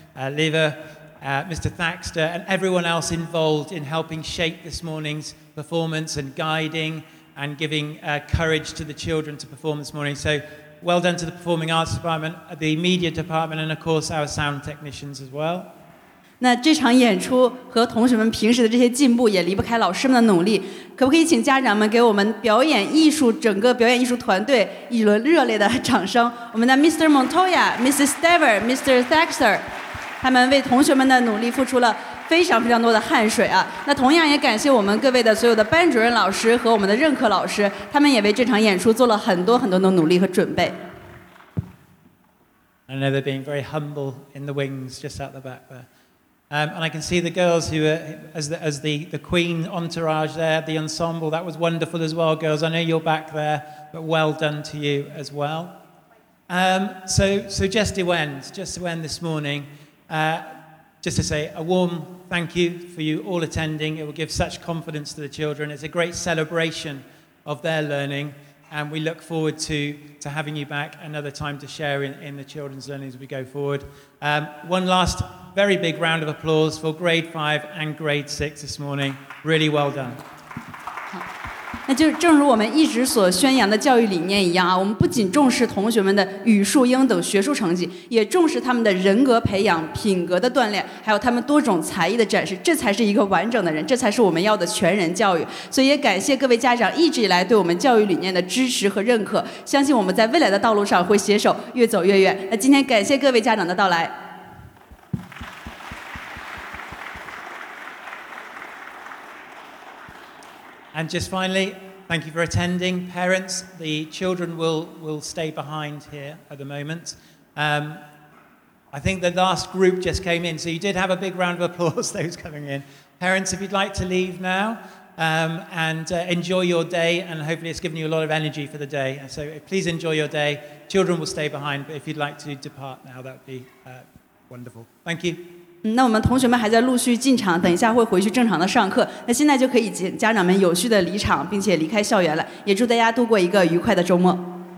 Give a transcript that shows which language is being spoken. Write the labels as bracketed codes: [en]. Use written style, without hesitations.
[en] Lever, Mr. Thaxter, and everyone else involved in helping shape this morning's performance and guiding and giving courage to the children to perform this morning. So well done to the Performing Arts Department, the Media Department, and of course our sound technicians as well. [zh] 那这场演出和同学们平时的这些进步也离不开老师们的努力。可不可以请家长们给我们表演艺术整个表演艺术团队一轮热烈的掌声？我们的 Mr. Montoya, Mrs. Dever, Mr. Thaxter, 他们为同学们的努力付出了非常非常多的汗水啊！那同样也感谢我们各位的所有的班主任老师和我们的任课老师，他们也为这场演出做了很多很多的努力和准备。 [en] I know they're being very humble in the wings just out the back there, and I can see the girls who are as the queen entourage there, the ensemble. That was wonderful as well, girls. I know you're back there, but well done to you as well. So just to end this morning. Just to say a warm thank you for you all attending. It will give such confidence to the children. It's a great celebration of their learning, and we look forward to having you back another time to share in the children's learning as we go forward. One last very big round of applause for grade 5 and grade 6 this morning. Really well done. [zh] 那就正如我们一直所宣扬的教育理念一样啊，我们不仅重视同学们的语数英等学术成绩，也重视他们的人格培养、品格的锻炼，还有他们多种才艺的展示，这才是一个完整的人，这才是我们要的全人教育。所以也感谢各位家长一直以来对我们教育理念的支持和认可，相信我们在未来的道路上会携手越走越远。那今天感谢各位家长的到来。 [en] And just finally, thank you for attending. Parents, the children will stay behind here at the moment. I think the last group just came in, so you did have a big round of applause, those coming in. Parents, if you'd like to leave now and enjoy your day, and hopefully it's given you a lot of energy for the day. So please enjoy your day. Children will stay behind, but if you'd like to depart now, that would be wonderful. Thank you. [zh] 那我们同学们还在陆续进场，等一下会回去正常的上课，那现在就可以请家长们有序的离场并且离开校园了，也祝大家度过一个愉快的周末。